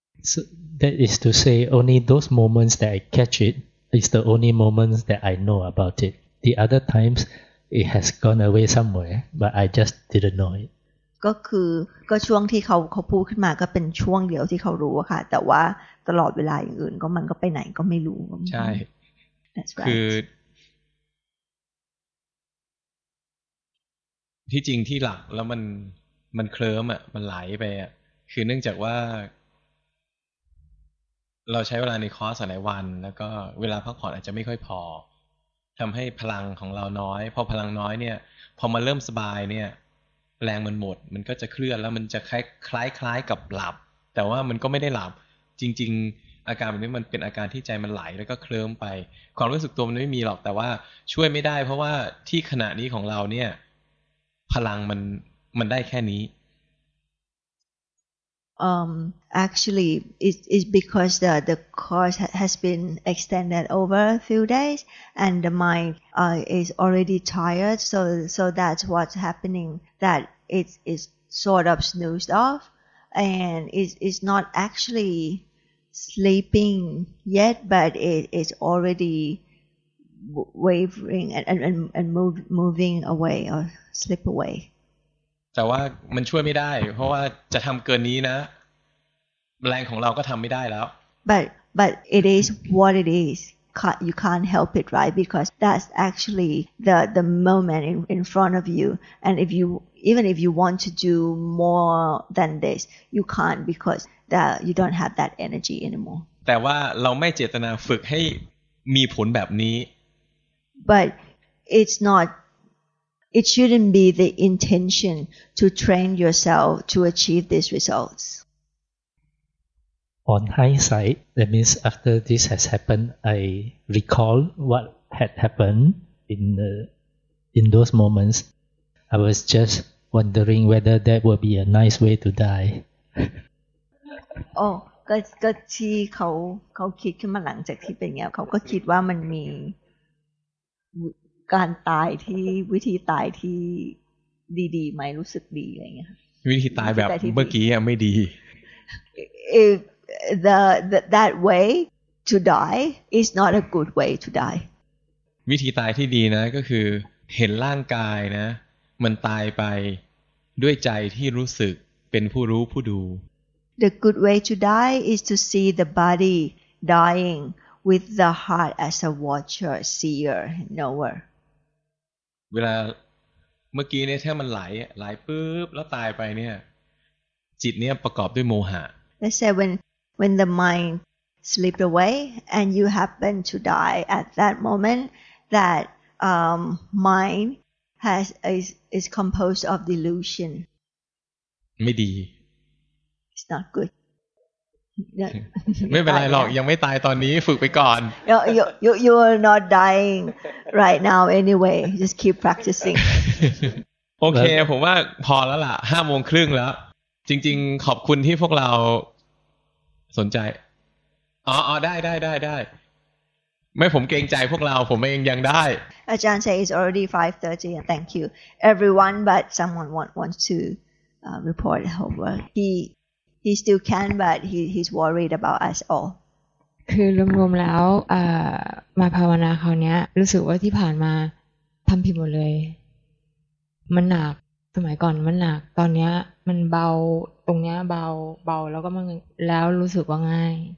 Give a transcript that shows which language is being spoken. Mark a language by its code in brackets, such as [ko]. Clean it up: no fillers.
[en] So that is to say, only those moments that I catch it is the only moments that I know about it. The other times, it has gone away somewhere, but I just didn't know it. [th] ก็คือก็ช่วงที่เขาพูดขึ้นมาก็เป็นช่วงเดียวที่เขารู้ค่ะแต่ว่าตลอดเวลาอย่างอื่นก็มันก็ไปไหนก็ไม่รู้ ใช่คือ ที่จริงที่หลักแล้วมันเคลิ้มอ่ะมันไหลไปอ่ะคือเนื่องจากว่าเราใช้เวลาในคอร์สหลายวันแล้วก็เวลาพักผ่อนอาจจะไม่ค่อยพอ ทำให้พลังของเราน้อยพอพลังน้อยเนี่ยพอมาเริ่มสบายเนี่ยแรงมันหมดมันก็จะเคลื่อนแล้วมันจะคล้ายกับหลับแต่ว่ามันก็ไม่ได้หลับจริงๆอาการแบบนี้มันเป็นอาการที่ใจมันไหลแล้วก็เคลิ้มไปความรู้สึกตัวมันไม่มีหรอกแต่ว่าช่วยไม่ได้เพราะว่าที่ขณะนี้ของเราเนี่ยพลังมันได้แค่นี้ [en] actually it's because the cause has been extended over a few days and the mind is already tired so that's what's happening that it's sort of snoozed off and it's not actuallysleeping yet but it is already wavering and moving away or slip away [th] แต่ว่ามันช่วยไม่ได้เพราะว่าจะทำเกินนี้นะแรงของเราก็ทำไม่ได้แล้ว [en] but it is what it is you can't help it right because that's actually the moment in front of you and if youeven if you want to do more than this you can't because that you don't have that energy anymore [th] แต่ว่าเราไม่เจตนาฝึกให้มีผลแบบนี้ [en] but it's not it shouldn't be the intention to train yourself to achieve these results on hindsight that means after this has happened I recall what had happened in those momentsI was just wondering whether that would be a nice way to die. [th] Oh, ก็ที่เขาคิดขึ้นมาหลังจากที่เป็นเงี้ยเขาก็คิดว่ามันมีการตายที่วิธีตายที่ดีๆไหมรู้สึกดีอะไรเงี้ยวิธีตายแบบเมื่อกี้ไม่ดี [en] If that way to die is not a good way to die. [th] วิธีตายที่ดีนะก็คือเห็นร่างกายนะมันตายไปด้วยใจที่รู้สึกเป็นผู้รู้ผู้ดู [en] The good way to die is to see the body dying with the heart as a watcher, seer, knower [th] เวลาเมื่อกี้เนี่ยถ้ามันไหลปุ๊บแล้วตายไปเนี่ยจิตเนี่ยประกอบด้วยโมหะ [en] They say when the mind slipped away and you happen to die at that moment that mindis composed of delusion [th] ไม่ดี [en] it's not good [th] ไม่เป็นไรหรอกยังไม่ตายตอนนี้ฝึกไปก่อน [en] you are not dying right now anyway just keep practicing [th] โอเคผมว่าพอแล้วล่ะ 5:30 แล้วจริงๆขอบคุณที่พวกเราสนใจอ๋อๆได้ๆๆไม่ผมเกรงใจพวกเราผมเองยังได้ [en] อาจารย์ say it's already 5:30 and thank you everyone but someone wants to report homework he still can but he's worried about us all [th] คือรวมๆแล้วมาภาวนาคราวนี้รู้สึกว่าที่ผ่านมาทำผิดหมดเลยมันหนักสมัยก่อนมันหนักตอนนี้มันเบาตรงนี้เบาแล้วก็มันแล้วรู้สึกว่าง่าย